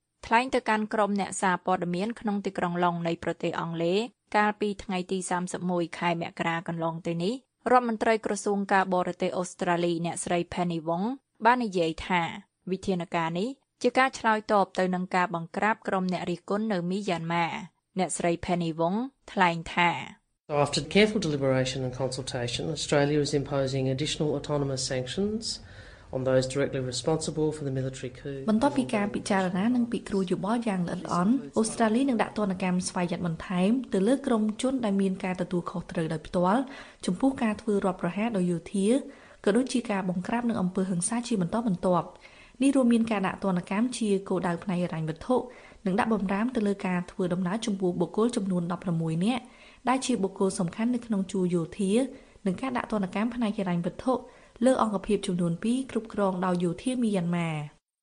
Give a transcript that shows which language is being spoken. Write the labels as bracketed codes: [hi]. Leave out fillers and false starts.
[km] ថ្លែងទៅកាន់ក្រុមអ្នកសារព័ត៌មានក្នុងទីក្រុងឡុងនៃប្រទេសអង់គ្លេសកាលពីថ្ងៃទី31ខែមករាកន្លងទៅនេះរដ្ឋមន្ត្រីក្រសួងការបរទេសអូស្ត្រាលីអ្នកស្រី Penny Wong បាននិយាយថាវិធានការនេះជាការឆ្លើយតបទៅនឹងការបង្ក្រាបក្រុមអ្នករិះគន់នៅមីយ៉ាន់ម៉ាអ្នកស្រី Penny Wong ថ្លែងថា [en] So after careful deliberation and consultation, Australia is imposing additional autonomous sanctionsOn those directly responsible for the military coup. [km] បន្ទាប់ពីការពិចារណានិងពិគ្រោះយោបល់យ៉ាងល្អិតល្អន់អូស្ត្រាលីនឹងដាក់ទណ្ឌកម្មស្វ័យយ័តបន្ថែមទៅលើក្រុមជនដែលមានការទទួលខុសត្រូវដោយផ្ទាល់ចំពោះការធ្វើរដ្ឋប្រហារដោយយោធាក៏ដូចជាការបង្ក្រាបនៅអំពើហិង្សាជាបន្តបន្ទាប់នេះរួមមានការដាក់ទណ្ឌកម្មជាគោលដៅផ្នែកហិរញ្ញវត្ថុនិងដាក់បំរាមទៅលើការធ្វើដំណើរចំពោះបុគ្គលចំនួន16នាក់ដែលជាបុគ្គលសំខាន់នៅក្នុងជួរយោធានិងការដាក់ទណ្ឌកម្មផ្នែកហិរញ្ញវត្ថុលើអង្គភាពចំនួន2គ្រប់គ្រងដោយយោធាមីយ៉ាន់ម៉ារ